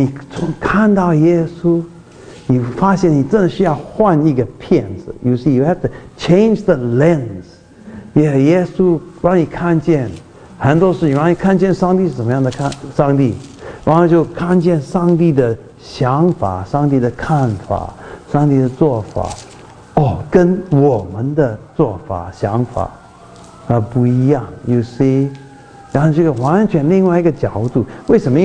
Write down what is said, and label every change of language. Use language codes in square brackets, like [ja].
[zh] 从看到耶稣，你发现你真的需要换一个片子。 [en] You see, you have to change the lens. Yeah, [zh] 耶稣让你看见很多事情，然后看见上帝是怎么样的看上帝，然后就看见上帝的想法、上帝的看法、上帝的做法，哦，跟我们的做法、想法啊不一样。 [en] You see， [zh] 然后这个完全另外一个角度。为什么？